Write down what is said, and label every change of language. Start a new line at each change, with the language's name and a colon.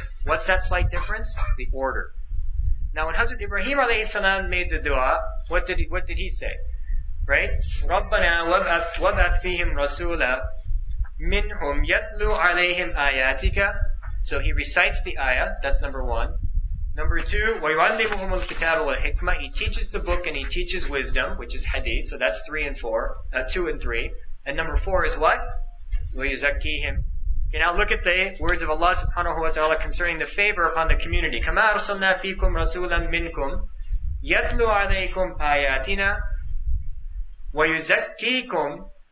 English: What's that slight difference? The order. Now when Hazrat Ibrahim alayhi salam made the dua, what did he say? Right?
Arabic: رَبَّنَا وَبْعَثْ فِيهِمْ رَسُولًا مِّنْهُمْ يَتْلُوا عَلَيْهِمْ آيَاتِكَ.
English: So he recites the ayah, that's number one. Number two,
Arabic: وَيُعَلِّمُهُمُ الْكِتَابَ وَالْحِكْمَةِ.
English: He teaches the book and he teaches wisdom, which is hadith, so that's two and three. And number four is what?
Arabic: وَيُزَكِّيهِمْ.
English: Okay, now look at the words of Allah subhanahu wa ta'ala concerning the favor upon the community.
Arabic: كَمَا أَرْسَلْنَا فِيكُمْ رَسُولًا مِّنْكُمْ يَتْلُوا عَلَيْكُمْ آيَاتِنَا وَيُزَكِّيكُمْ